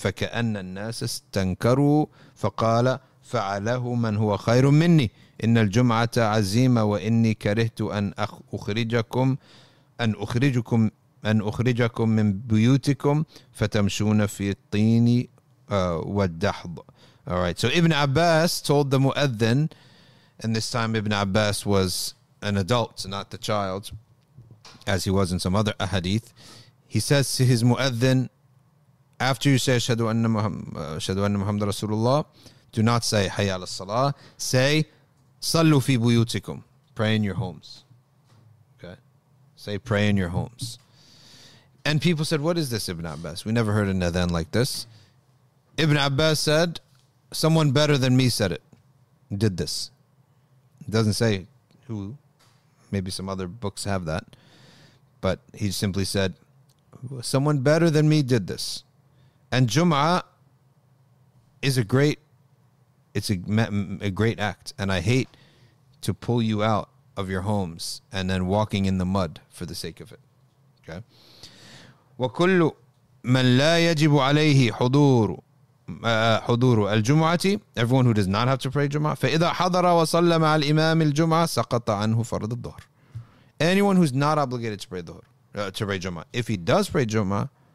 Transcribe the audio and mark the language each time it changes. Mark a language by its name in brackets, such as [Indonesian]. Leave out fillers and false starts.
[Arabic] فكأن الناس استنكروا فقال فعله من هو خير مني إن الجمعة عزيمة وإني كرهت أن أخرجكم من بيوتكم فتمشون في الطين والدحض. [English] All right. So Ibn Abbas told the muadhin, and this time Ibn Abbas was an adult, not the child, as he was in some other ahadith. He says to his muadhin, after you say [Arabic] "Ashhadu anna Muhammad Rasulullah," [English] do not say [Arabic] "Hayya ala salah." [English] Say [Arabic] "Sallu fi buyutikum." [English] Pray in your homes. Okay. Say pray in your homes. And people said, what is this, Ibn Abbas? We never heard an adhan like this. Ibn Abbas said, someone better than me said it, did this. It doesn't say who. Maybe some other books have that. But he simply said, someone better than me did this. And Jum'ah is a great act. And I hate to pull you out of your homes and then walking in the mud for the sake of it. Okay. [Arabic] وكل من لا يجب عليه حضور حضور الجمعة [English] everyone who does not have to pray [Arabic] جمعة فإذا حضر وصلى مع الإمام الجمعة سقط عنه فرض الظهر [English] anyone who's not obligated to pray [Arabic] ظهر [English] to pray [Arabic] جمعة [English] if he does pray [Arabic] جمعة